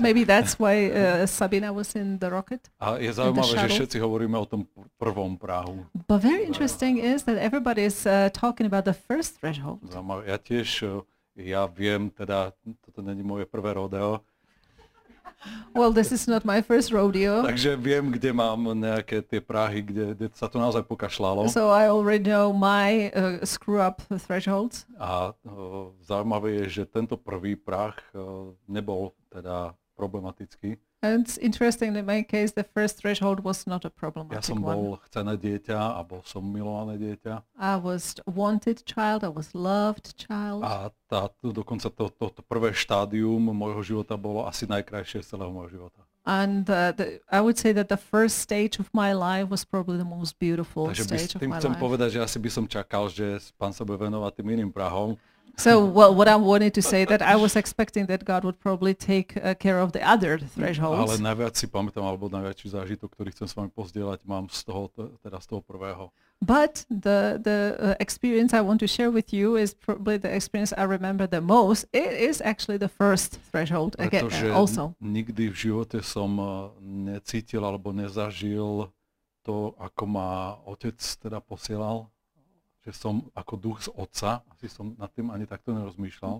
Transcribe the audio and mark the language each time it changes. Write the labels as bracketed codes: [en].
[en] Maybe that's why Sabina was in the rocket. [sk] A je zaujímavé, že všetci hovoríme o tom prvom prahu. [en] But very interesting is that everybody is talking about the first threshold. [sk] Zaujímavé. Ja tiež... Ja viem, teda, toto není moje prvé rodeo. [en] Well, this is not my first rodeo. [sk] Takže viem, kde mám nejaké tie práhy, kde sa to naozaj pokašľalo. [en] So I already know my screw up thresholds. [sk] A zaujímavé je, že tento prvý práh nebol teda problematický. [en] And it's interesting in my case the first threshold was not a problematic one. [sk] Ja som bol chcené dieťa a bol som milované dieťa. [en] I was wanted child, I was loved child. [sk] A dokonca to prvé štádium môjho života bolo asi najkrajšie z celého môjho života. [en] And I would say that the first stage of my life was probably the most beautiful stage of my life. [sk] Takže tým chcem povedať, že asi by som čakal, že Pán sa bude venovať tým iným prahom. [en] So well, what I wanted to say that I was expecting that God would probably take care of the other thresholds. [sk] Ale najviac si pamätám alebo najväčší zážitok, ktorý chcem s vami pozdieľať, mám z toho teda z toho prvého. [en] But the experience I want to share with you is probably the experience I remember the most. It is actually the first threshold again, also. [sk] Nikdy v živote som necítil alebo nezažil to, ako ma otec teda posielal. Že som ako duch z otca, asi som nad tým ani takto nerozmýšľal.